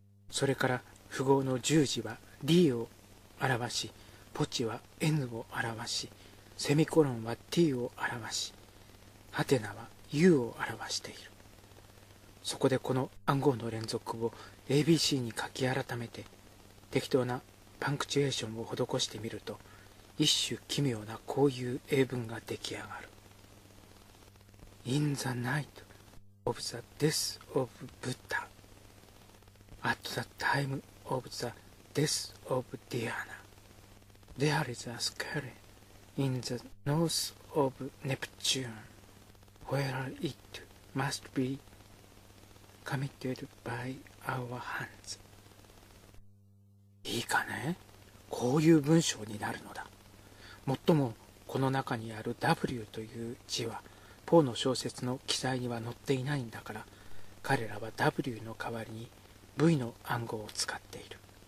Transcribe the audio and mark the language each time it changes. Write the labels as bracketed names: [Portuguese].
[Japanese] それから符号の十字は D を表し、ポチは N を表し、セミコロンは T を表し、ハテナは U を表している。そこでこの暗号の連続を ABC に書き改めて、適当なパンクチュエーションを施してみると、一種奇妙なこういう英文が出来上がる。 [English] In the night of the death of Buddha At the time of the death of Diana There is a square in the north of Neptune Where it must be committed by our hands。 [Japanese] いいかね、こういう文章になるのだ。もっともこの中にある W という字はポーの小説の記載には載っていないんだから、彼らは W の代わりに V の暗号を使っている。